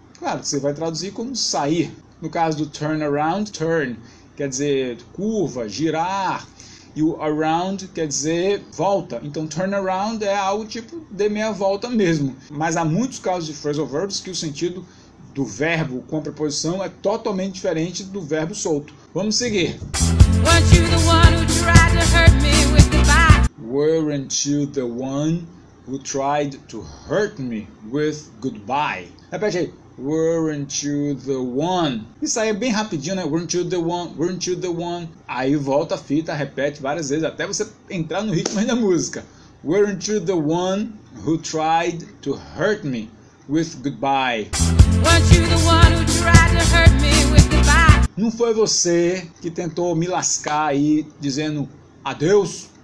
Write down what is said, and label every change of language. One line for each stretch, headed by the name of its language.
Portuguese: Claro, você vai traduzir como sair. No caso do turn around, turn quer dizer curva, girar. E o around quer dizer volta. Então turn around é algo tipo de meia volta mesmo. Mas há muitos casos de phrasal verbs que o sentido do verbo com a preposição é totalmente diferente do verbo solto. Vamos seguir.
English: Weren't you the one who tried to hurt me with goodbye? Weren't you the one who tried to hurt me with goodbye?
Portuguese: Repete aí.
English: Weren't you the one?
Portuguese: Isso aí é bem rapidinho, né?
English: Weren't you the one? Weren't you the one?
Portuguese: Aí volta a fita, repete várias vezes até você entrar no ritmo da música.
English: Weren't you the one who tried to hurt me with goodbye? Weren't you the one who tried to hurt me with goodbye?
Portuguese: Não foi você que tentou me lascar aí dizendo adeus?